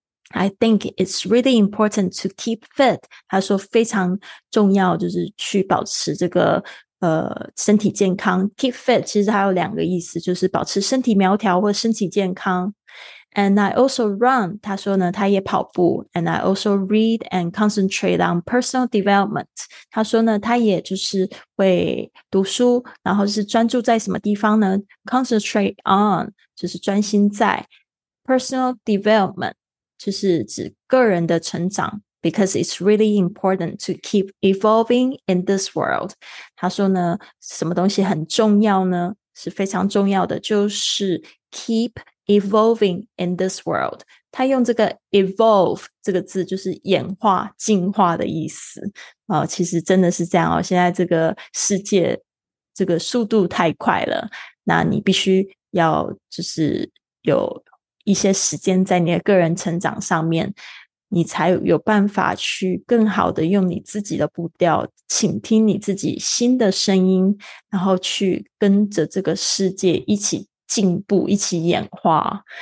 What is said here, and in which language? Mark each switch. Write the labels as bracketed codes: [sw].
[en] I think it's really important to keep fit. [zh] 他说非常重要就是去保持这个身体健康。 Keep fit 其实还有两个意思，就是保持身体苗条或身体健康。 [en] And I also run. [zh] 他说呢他也跑步。 [en] And I also read and concentrate on personal development. [zh] 他说呢他也就是会读书，然后是专注在什么地方呢？ Concentrate on 就是专心在 personal development. 就是指个人的成长， [en] because it's really important to keep evolving in this world. [zh] 他说呢什么东西很重要呢？是非常重要的，就是 [en] keep evolving in this world. [zh] 他用这个 evolve 这个字就是演化进化的意思其实真的是这样哦，现在这个世界这个速度太快了，那你必须要就是有一些时间在你的个人成长上面，你才有办法去更好的用你自己的步调倾听你自己新的声音，然后去跟着这个世界一起进步一起演化。